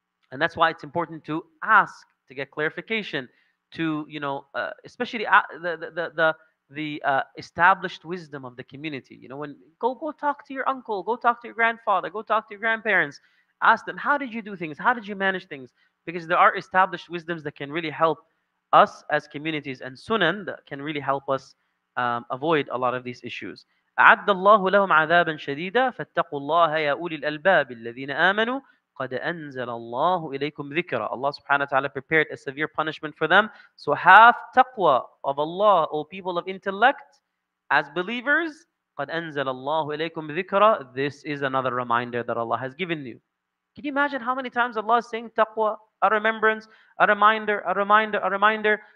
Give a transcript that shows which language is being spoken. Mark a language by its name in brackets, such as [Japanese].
[English] And that's why it's important to ask, to get clarification, to, you know, especially the established wisdom of the community. You know, when go talk to your uncle, go talk to your grandfather, go talk to your grandparents. Ask them, how did you do things? How did you manage things? Because there are established wisdoms that can really help us as communities, and sunan that can really help us avoid a lot of these issues. [Arabic] أعد الله لهم عذابا شديدا فاتقوا الله يا أولي الألباب الذين آمنوا قد أنزل الله إليكم ذكرا [English] Allah subhanahu wa ta'ala prepared a severe punishment for them. So have taqwa of Allah, O people of intellect, as believers. [Arabic] قد أنزل الله إليكم ذكرا [English] This is another reminder that Allah has given you. Can you imagine how many times Allah is saying taqwa, a remembrance, a reminder, a reminder, a reminder?